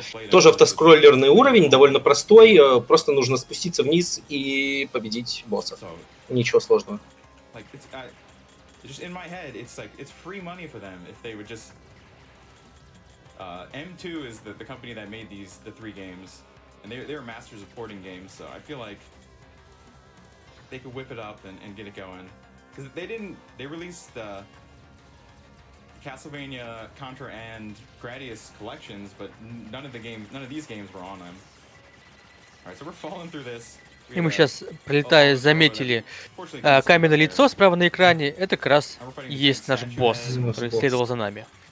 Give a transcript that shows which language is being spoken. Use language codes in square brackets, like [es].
[ru] Тоже автоскроллерный уровень, довольно простой, просто нужно спуститься вниз и победить босса, ничего сложного. [en] Just in my head, it's like it's free money for them if they would just. M2 is the company that made these the three games, and they were masters of porting games, so I feel like they could whip it up and get it going. Because they didn't, they released the Castlevania, Contra, and Gradius collections, but none of these games were on them. All right, so we're falling through this. [ru] И мы сейчас, пролетая, заметили каменное лицо справа на экране. Это как раз и есть наш босс, который следовал за нами.